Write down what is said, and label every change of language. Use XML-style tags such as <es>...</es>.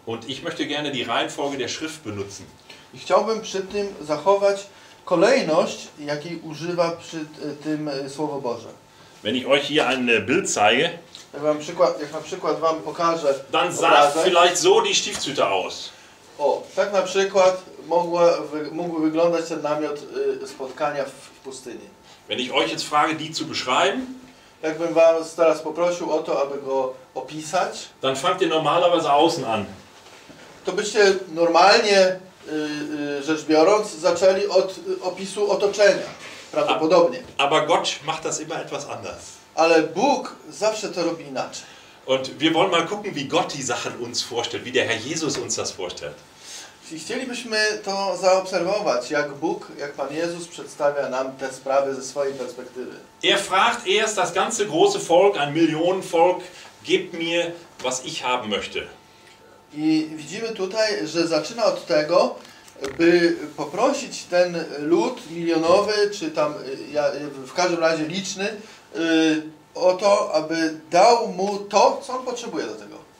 <de>Und ich möchte gerne die Reihenfolge der Schrift benutzen.</de> <pl>I chciałbym przy tym zachować kolejność, jakiej używa przy tym Słowo Boże.</pl> <de>Wenn ich euch hier ein Bild zeige,</de> <pl>jak na przykład wam pokażę,</pl> <de>dann sah vielleicht so die Stiftshütte aus.</de> <pl>O, tak na przykład mógł wyglądać ten namiot spotkania w pustyni.</pl> <de>Wenn ich euch jetzt frage, die zu beschreiben,</de> <pl>jakbym was teraz poprosił o to, aby go opisać,</pl> <de>dann fangt ihr normalerweise außen an.</de> <pl>To byście normalnie rzecz biorąc zaczęli od opisu otoczenia. Prawdopodobnie.</pl> <de>Aber Gott macht das immer etwas anders.</de> <pl>Ale Bóg zawsze to robi inaczej.</pl> <de>Und wir wollen mal gucken, wie Gott die Sachen uns vorstellt, wie der Herr Jesus uns das vorstellt.</de> <pl>I chcielibyśmy to zaobserwować, jak Bóg, jak Pan Jezus przedstawia nam te sprawy ze swojej perspektywy.</pl> <de>Er fragt erst das ganze große Volk, ein Millionenvolk, gib mir, was ich haben möchte.</de> <pl>I widzimy tutaj, że zaczyna od tego, by poprosić ten lud milionowy, czy tam w każdym razie liczny, o to, aby dał mu to, co on potrzebuje do tego.</pl>